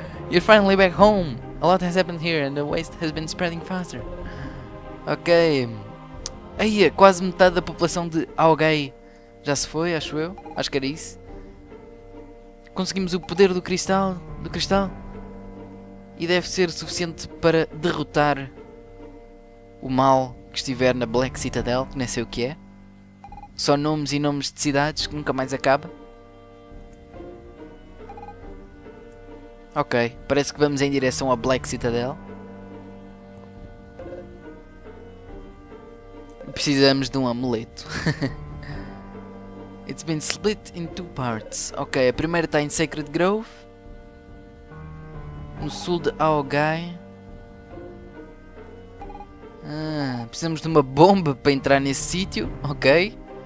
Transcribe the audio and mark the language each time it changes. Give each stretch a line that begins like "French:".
English: You're finally back home. A lot has happened here and the waste has been spreading faster. Ok.
Portuguese: Aí, quase metade da população de Algay já se foi, acho eu. Acho que era isso. Conseguimos o poder do cristal. Do cristal. E deve ser suficiente para derrotar o mal que estiver na Black Citadel, que nem sei o que é. Só nomes e nomes de cidades que nunca mais acaba. Ok, parece que vamos em direção à Black Citadel. Precisamos de um amuleto.
English: It's been split in two parts.
Portuguese: Ok, a primeira está em Sacred Grove. No sul de Algay. Precisamos de uma bomba para entrar nesse sítio. Ok.